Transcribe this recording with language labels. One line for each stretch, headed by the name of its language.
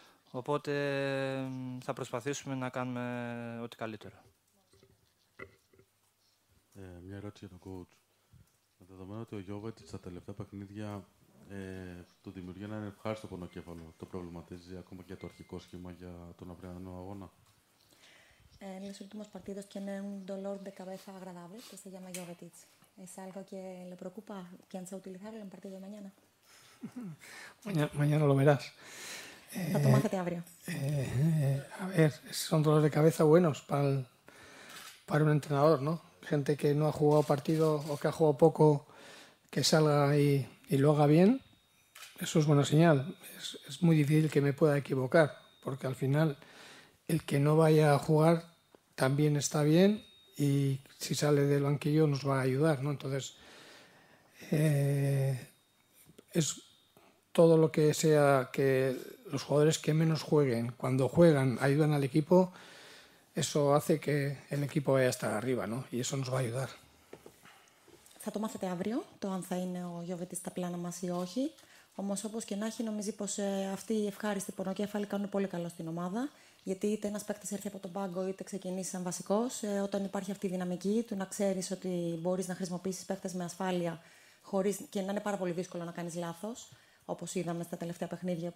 Greek: Οπότε θα προσπαθήσουμε να κάνουμε ό,τι καλύτερο. Μια ερώτηση για τον coach. Με δεδομένο ότι ο Γιώβετιτς στα τελευταία παιχνίδια του δημιουργεί ένα ευχάριστο πονοκέφαλο, το προβληματίζει ακόμα και το αρχικό σχήμα για τον αυριανό αγώνα?
Spanish: En los últimos partidos tiene un dolor de cabeza agradable que se llama Jovetic. ¿Es algo que le preocupa? ¿Piensa utilizarlo en el partido de mañana? Mañana lo verás. La tomate abrió. A ver, son dolores de cabeza buenos para un entrenador, ¿no? Gente que no ha jugado partido o que ha jugado poco, que salga y lo haga bien, eso es buena señal. Es muy difícil que me pueda equivocar, porque al final el que no vaya a jugar también está bien y si sale del banquillo nos va a ayudar, ¿no? Entonces, es todo lo que sea que los jugadores que menos jueguen, cuando juegan, ayudan al equipo, eso hace que el equipo vaya hasta arriba, ¿no? Y eso nos va a ayudar.
Greek: Θα το μάθετε αύριο, το αν θα είναι ο Γιώβετης στα πλάνα μας ή όχι. Όμως όπως και να έχει, νομίζει πως αυτοί οι ευχάριστοι πονοκέφαλοι κάνουν πολύ καλό στην ομάδα. Γιατί είτε ένας παίκτης έρθει από τον πάγκο, είτε ξεκινήσει σαν βασικός, όταν υπάρχει αυτή η δυναμική του να ξέρεις ότι μπορείς να χρησιμοποιήσεις παίκτες με ασφάλεια χωρίς, και να είναι πάρα πολύ δύσκολο να κάνεις λάθος, όπως είδαμε στα τελευταία παιχνίδια.